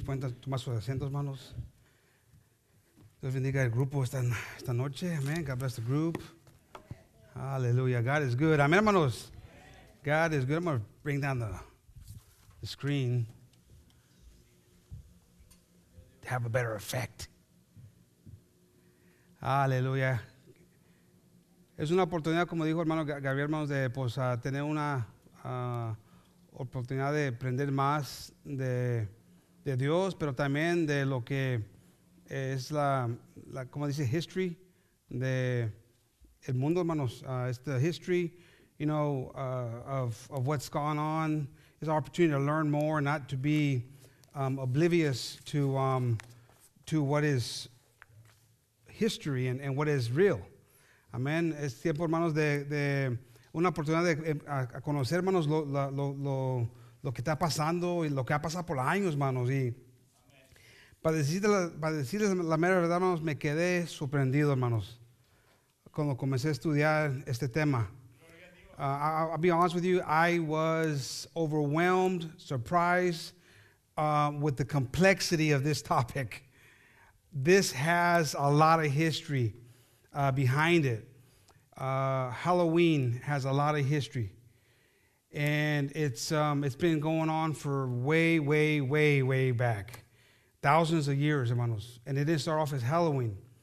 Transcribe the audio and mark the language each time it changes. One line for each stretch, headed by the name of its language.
Spanish: Pueden tomar sus asientos, hermanos. Dios bendiga el grupo esta noche. Amen.
English: God bless the group.
Spanish: Hallelujah.
English: God is good.
Spanish: Amen, hermanos. God is good.
English: I'm going to bring down the screen to have a better effect. Hallelujah.
Spanish: Es una oportunidad, como dijo hermano Gabriel, hermanos, de pues tener una oportunidad de aprender más de Dios, pero también de lo que es la como dice history de el mundo, hermanos.
English: It's the history, you know, of what's going on. It's an opportunity to learn more, not to be oblivious to what is history and what is real. Amen.
Spanish: Es tiempo, hermanos, de una oportunidad de a conocer, hermanos, lo que está pasando y lo que ha pasado por años, hermanos. Y para decirles la mera verdad, hermanos, me quedé sorprendido, hermanos, cuando comencé a estudiar este tema.
English: I'll be honest with you, I was overwhelmed, surprised with the complexity of this topic. This has a lot of history behind it. Halloween has a lot of history, and it's been going on for way, way, way, way back, thousands of years, hermanos, and it didn't start off as Halloween.